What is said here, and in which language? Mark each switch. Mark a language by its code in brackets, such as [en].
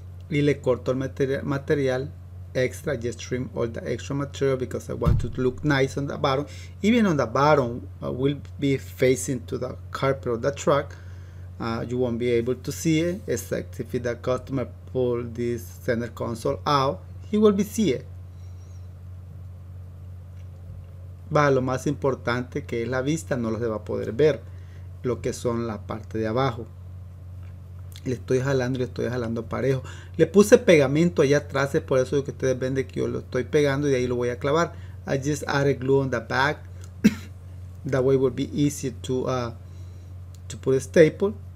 [es] Y le corto el material extra, [en] just trim all the extra material because I want to look nice on the bottom. Even on the bottom, will be facing to the carpet of the truck. You won't be able to see it, except if the customer pull this center console out, he will be see it. [es] Pero lo más importante que es la vista, no lo se va a poder ver, lo que son la parte de abajo. Le estoy jalando y le estoy jalando parejo. Le puse pegamento allá atrás, es por eso que ustedes ven de que yo lo estoy pegando y de ahí lo voy a clavar. [en] I just added glue on the back. That way it will be easier to put a staple.